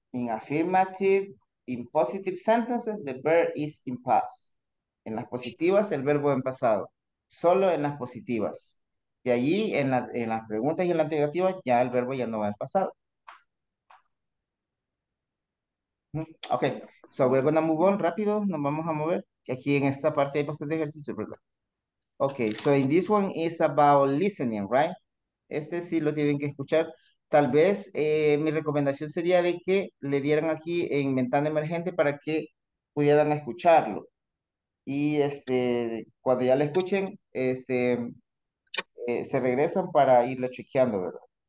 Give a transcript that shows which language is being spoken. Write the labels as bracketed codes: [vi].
[en] In affirmative, in positive sentences, the verb is in past. [es] En las positivas, el verbo en pasado. Solo en las positivas. De allí, en las preguntas y en la interrogativa, ya el verbo ya no va en pasado. [en] Mm-hmm. Okay. So we're gonna move on [es] rápido, nos vamos a mover, que aquí en esta parte hay bastante ejercicio, ¿verdad? [en] Okay, so in this one is about listening, right? [es] Este sí lo tienen que escuchar. Tal vez mi recomendación sería de que le dieran aquí en ventana emergente para que pudieran escucharlo. Y cuando ya lo escuchen, se regresan para irlo chequeando, ¿verdad?